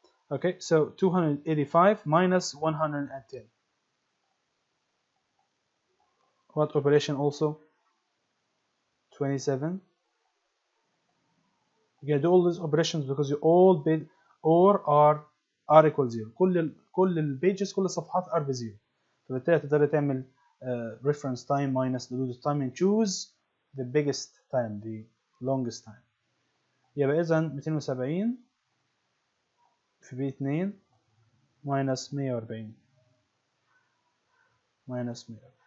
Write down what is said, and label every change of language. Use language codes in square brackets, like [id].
[en] Okay, so 285 minus 110. What operation also? 27. You gotta do all these operations because you all bid or are r equals 0. [ar] كل ال pages, كل الصفحات r بزيرو. فبالتالي تقدر تعمل [en] reference time minus the loaded time and choose the biggest time, the longest time. [ar] يبقى إذا 270 في B2 [en] minus 140 minus 140.